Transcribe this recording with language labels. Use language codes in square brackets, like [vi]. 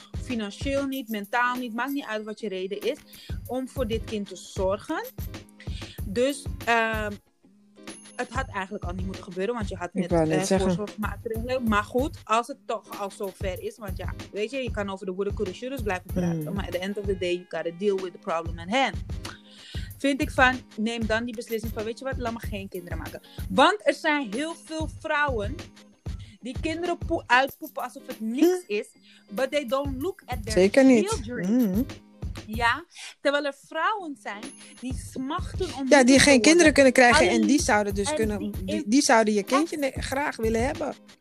[nl] Financieel niet, mentaal niet, maakt niet uit wat je reden is, om voor dit kind te zorgen. Dus het had eigenlijk al niet moeten gebeuren, want je had net voorzorgsmaatregelen. Maar goed, als het toch al zo ver is, want ja, weet je, je kan over de woede courageurs blijven praten. Mm. [en] Maar at the end of the day, you gotta deal with the problem at hand. [nl] Vind ik van, neem dan die beslissing van, weet je wat, laat me geen kinderen maken. Want er zijn heel veel vrouwen die kinderen uitpoepen alsof het niks is. [en] But they don't look at their [nl] zeker [en] children. [nl] Zeker niet. Mm. Ja, terwijl er vrouwen zijn die smachten om... Ja, die geen kinderen kunnen krijgen en die zouden dus kunnen... Die zouden je kindje graag willen hebben.